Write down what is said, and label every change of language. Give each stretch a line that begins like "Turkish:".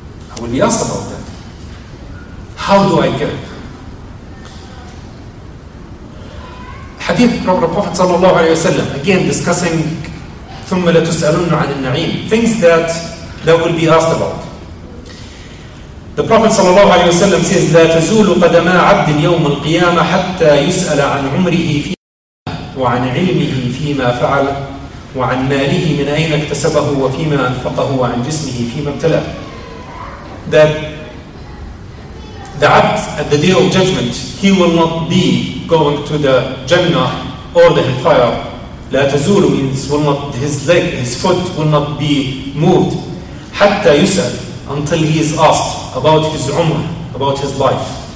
English: I will be asked about that. How do I get it? Hadith from the Prophet sallallahu alayhi wa sallam, again discussing
Arabic: ثم لتسألن عن النعيم,
English: things that will be asked about. The Prophet sallallahu alayhi wa sallam says,
Arabic: لا تزول قدما عبد يوم القيامة حتى يسأل عن عمره فيما وعن علمه فيما فعل وعن ماله من أين اكتسبه وفيما أنفقه وعن جسمه فيما ابتلى.
English: That the Abd at the day of judgment, he will not be going to the Jannah or the Hellfire,
Arabic: لا تزول
English: means will not, his leg, his foot will not be moved.
Arabic: حتى يسأل,
English: until he is asked about his عمر, about his life.